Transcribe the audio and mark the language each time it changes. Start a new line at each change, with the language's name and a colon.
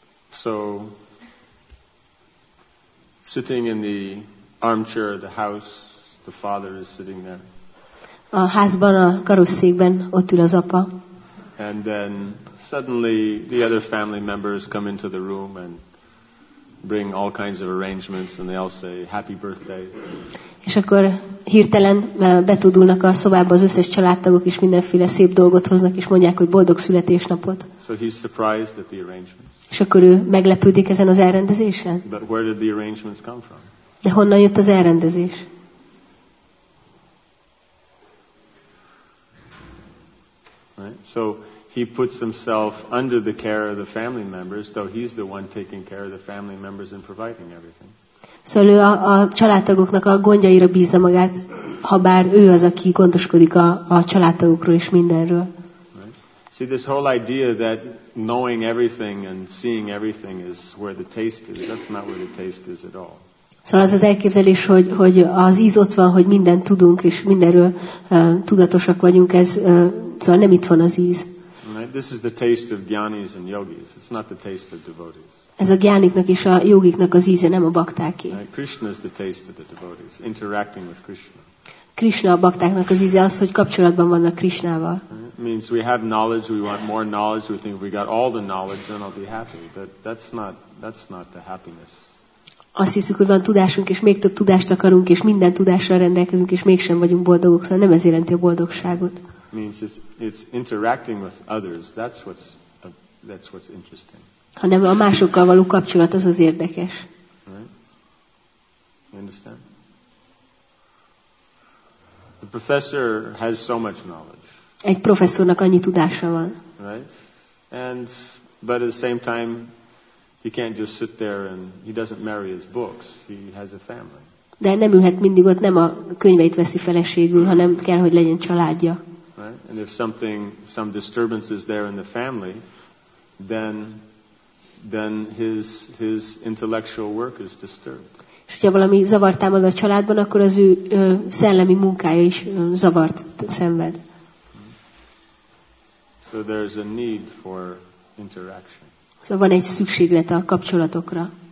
English: So, sitting in the armchair of the house, the father is sitting there.
Hungarian: A házban, a karosszékben ott ül az apa.
English: And then suddenly the other family members come into the room and bring all kinds of arrangements, and they all say happy birthday.
Hungarian: És akkor hirtelen betudulnak a szobába az összes családtagok, és mindenféle szép dolgot hoznak, és mondják, hogy boldog születésnapot.
English: So he's surprised at the arrangements.
Hungarian: És akkor ő meglepődik ezen az elrendezésen.
English: But where did the arrangements come from?
Hungarian: De honnan jött az elrendezés?
English: So he puts himself under the care of the family members, though he's the one taking care of the family members and providing everything.
Hungarian: So ő a családtagoknak a gondjaira bízza magát, habár ő az, aki gondoskodik a családtagokról és mindenről.
English: Right. See, this whole idea that knowing everything and seeing everything is where the taste is, that's not where the taste is at all.
Hungarian: Szóval az az elképzelés, hogy az íz ott van, hogy mindent tudunk és mindenről tudatosak vagyunk, ez szóval nem itt van az íz.
English: This is the taste of gyanis and yogis. It's not the taste of devotees.
Hungarian: Ez a gyániknak és a jogiknak az íze, nem a baktáké.
English: Krishna is the taste of the devotees, interacting with Krishna.
Hungarian: Krishna a baktáknak az íze, az, hogy kapcsolatban vannak Krishnával.
English: Means we have knowledge, we want more knowledge, we think if we got all the knowledge, then I'll be happy. But that's not the happiness.
Hungarian: Azt hiszük, hogy van tudásunk, és még több tudást akarunk, és minden tudással rendelkezünk, és mégsem vagyunk boldogok, szóval nem ez jelenti a boldogságot.
English: Means it's interacting with others. That's what's interesting.
Hungarian: Hanem a másokkal való kapcsolat, az az érdekes.
English: Right? You understand? The professor has so much knowledge.
Hungarian: Egy professzornak annyi tudása van.
English: Right? And but at the same time, he can't just sit there and he doesn't marry his books. He has a family.
Hungarian: De nem ülhet mindig ott, nem a könyveit veszi feleségül, hanem kell, hogy legyen családja.
English: Right? And if some disturbance is there in the family, then his intellectual work is disturbed.
Hungarian: És hogyha valami zavart támad a családban, akkor az ő szellemi munkája is zavart szenved.
English: So there's a need for interaction.
Hungarian: Szóval van egy szükséglet a kapcsolatokra.